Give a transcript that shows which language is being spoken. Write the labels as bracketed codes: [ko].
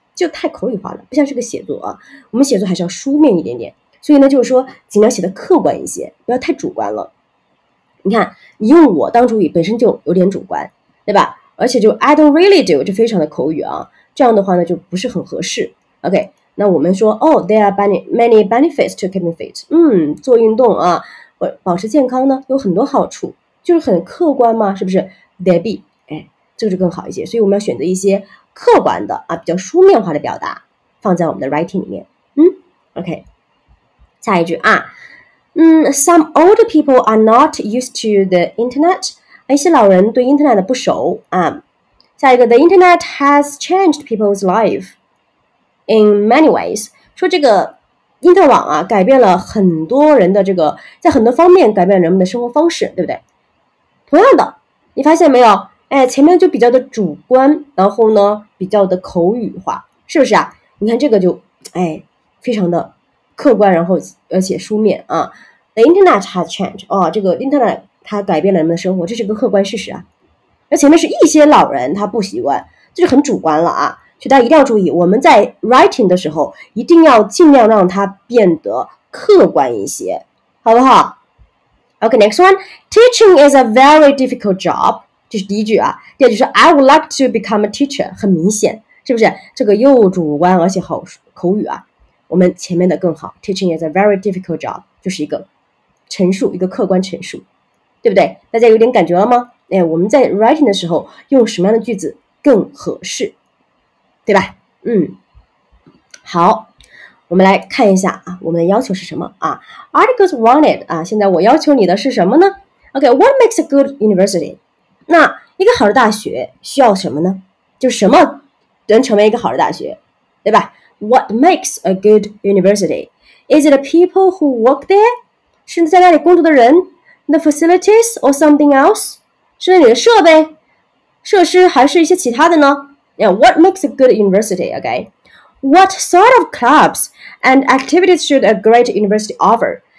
[zh] 就太口语化了，不像是个写作啊。我们写作还是要书面一点点，所以呢，就是说尽量写的客观一些，不要太主观了。你看，你用我当主语，本身就有点主观，对吧？而且就 [en] I don't really do， [zh] 就非常的口语啊。这样的话呢，就不是很合适。 [en] OK， [zh] 那我们说， [en] there are many benefits to keeping fit。 [zh] 做运动啊，保持健康呢，有很多好处，就是很客观嘛，是不是 ？There be， 这个就更好一些。所以我们要选择一些。客观的啊，比较书面化的表达放在我们的 writing 里面。OK， 下一句啊， [en] Some old people are not used to the internet. [zh] 一些老人对 internet 不熟。下一个 , [en] the internet has changed people's life in many ways. [zh] 说这个因特网啊改变了很多人的这个在很多方面改变人们的生活方式，对不对？同样的你发现没有，哎，前面就比较的主观，然后呢比较的口语化，是不是啊？你看这个就哎非常的客观，然后而且书面啊。 [en] The internet has changed, [zh] 哦，这个 internet 它改变了人们的生活，这是个客观事实啊。而前面是一些老人他不习惯，这就很主观了啊。所以大家一定要注意，我们在 writing 的时候一定要尽量让它变得客观一些，好不好？ [en] OK, next one. Teaching is a very difficult job. [zh] 这是第一句啊。第二句是 [en] I would like to become a teacher. [zh] 很明显，是不是？这个又主观而且好口语啊。我们前面的更好。 [en] Teaching is a very difficult job. [zh] 就是一个陈述，一个客观陈述，对不对？大家有点感觉了吗？哎，我们在 writing 的时候用什么样的句子更合适，对吧？嗯，好，我们来看一下啊，我们的要求是什么啊 ？ [en] Articles wanted [zh] 啊，现在我要求你的是什么呢 ？ [en] Okay, what makes a good university? [zh] 那一个好的大学需要什么呢？就什么能成为一个好的大学，对吧 ？ [en] What makes a good university? Is it the people who work there? [zh] 是在那里工作的人 [en] ？The facilities or something else? [zh] 是你的设备、设施，还是一些其他的呢？ [en] Yeah, what makes a good university, okay? What sort of clubs and activities should a great university offer?